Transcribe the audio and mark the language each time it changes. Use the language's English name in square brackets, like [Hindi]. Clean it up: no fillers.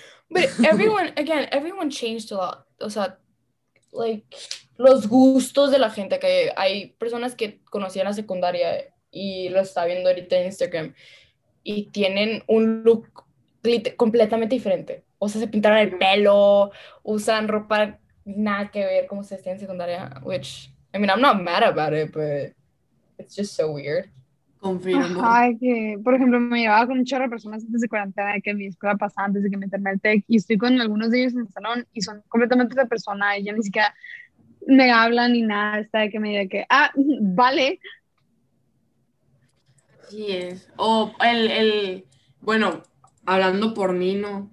[English] But everyone, again, everyone changed a lot. [Spanish] O sea, like, los gustos de la gente. Que hay personas que conocí en la secundaria y lo está viendo ahorita en Instagram. Y tienen un look completamente diferente. O sea, se pintaron el pelo, usan ropa nada que ver como se está en secundaria. [English] Which, I mean, I'm not mad about it, but it's just so weird. [Spanish] Confirmo. Ay, que, por ejemplo, me llevaba con un chorro de personas antes de cuarentena, que mi escuela pasaba antes de que me terminé el TEC, y estoy con algunos de ellos en el salón, y son completamente otra persona, y ya ni siquiera me hablan ni nada, está de que me diga que, ah, vale. Así es. O el, bueno, hablando por mí, ¿no?